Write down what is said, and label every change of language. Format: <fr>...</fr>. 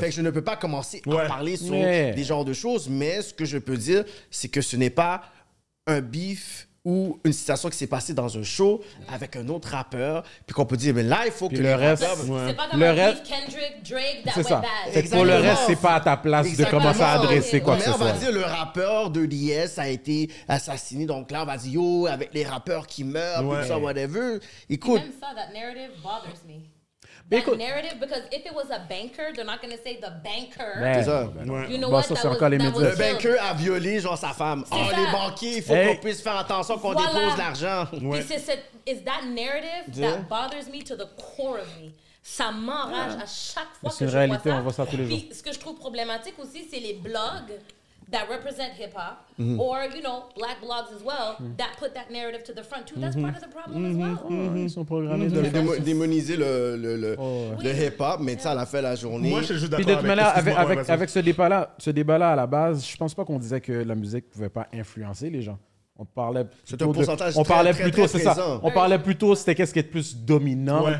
<fr>Fait que je ne peux pas commencer à parler sur des genres de choses. Mais ce que je peux dire, c'est que ce n'est pas un beef ou une situation qui s'est passée dans un show avec un autre rappeur, puis qu'on peut dire, mais là, il faut Le reste, c'est pas comme le reste, Kendrick, Drake, that c'est</fr> <en>went bad.</en> <fr>Ça. Exactement. Pour le reste, c'est pas à ta place de commencer à adresser quoi que ce soit. On va dire, le rappeur de DS a été assassiné, donc là, on va dire, yo, avec les rappeurs qui meurent, tout ça, whatever. Écoute. Même ça,</fr> <en>that narrative bothers me. Narrative, because if it was a banker, they're not going to say the banker.</en> <fr>Ben,</fr> <en>you know what?</en> <fr>Ça, c'est encore les médias. Le banker a violé, genre, sa femme. Oh, les banquiers, il faut qu'on puisse faire attention qu'on dépose l'argent. Ouais.</fr> <en>It's that narrative that bothers me to the core of me.</en> <fr>Ça m'enrage à chaque fois que je vois ça. C'est une réalité, on voit ça tous les jours. Ce que je trouve problématique aussi, c'est les blogs</fr> <en>that represent hip hop, mm-hmm. or you know, black blogs as well, mm-hmm. that put that narrative to the front too. That's mm-hmm. part of the problem mm-hmm. as well.</en> <fr>Mm-hmm. Ils sont programmés mm-hmm. de démoniser le hip hop, mais ça, à la fin de la journée. Moi, je suis juste d'accord avec. Manière, avec ce débat là à la base, je pense pas qu'on disait que la musique pouvait pas influencer les gens. On parlait plutôt c'est un pourcentage de, on parlait très, plutôt très, très c'est présent. Ça on parlait plutôt c'était qu'est-ce qui est plus dominant ouais.</fr>